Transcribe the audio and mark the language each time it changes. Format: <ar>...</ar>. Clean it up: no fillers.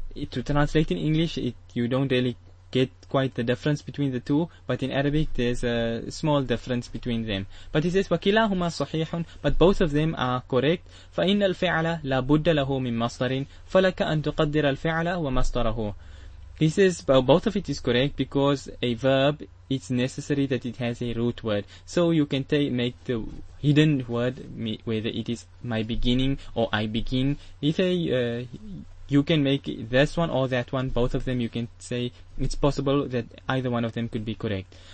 <en>To translate in English, you don't really get quite the difference between the two, but in Arabic there's a small difference between them. But he says</en> <ar>وكلاهما صحيح,</ar> <en>but both of them are correct.</en> <ar>فإن الفعل لا بد له من مصدر فلك أن تقدر الفعل ومصدره.</ar> <en>He says, well, both of it is correct, because a verb, it's necessary that it has a root word. So you can make the hidden word, whether it is my beginning or I begin. You can make this one or that one, both of them, you can say it's possible that either one of them could be correct.</en>